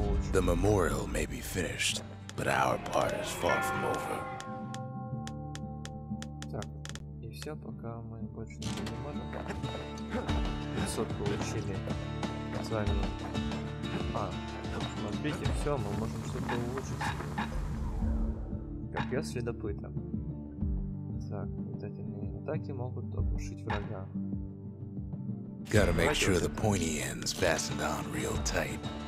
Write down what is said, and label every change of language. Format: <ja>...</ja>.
<en>The memorial may be finished, but our part is far from over.</en> <ru>Так, и все, пока мы больше не можем. 500 получили с вами. А, смотрите, все, мы можем что-то улучшить. Копьё следопыта. Так, летательные атаки могут оглушить врага.</ru> <en>Gotta make sure the pointy end's fastened on real tight.</en>